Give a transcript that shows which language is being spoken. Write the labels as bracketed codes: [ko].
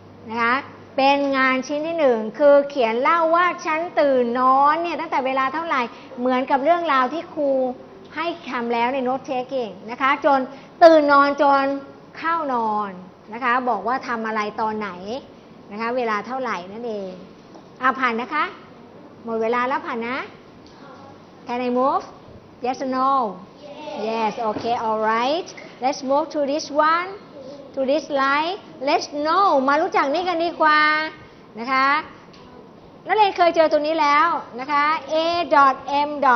[th] นะคะเป็นงานชิ้นที่1คือเขียนเล่าว่าฉันตื่นนอนเนี่ยตั้งแต่เวลาเท่าไหร่เหมือนกับเรื่องราวที่ครูให้ทําแล้วในโน้ตเทคเองนะคะจนตื่นนอนจนเข้านอนนะคะบอกว่าทําอะไรตอนไหนนะคะเวลาเท่าไหร่นั่นเองอ่ะผ่านนะคะหมดเวลาแล้วผ่านนะ [en] Can I move? Yes or no? Yes, okay, all right. Let's move to this oneTo this line, let's know. [th] มารู้จักนี่กันดีกว่านะคะนักเรียนเคยเจอตัวนี้แล้วนะคะ A.M.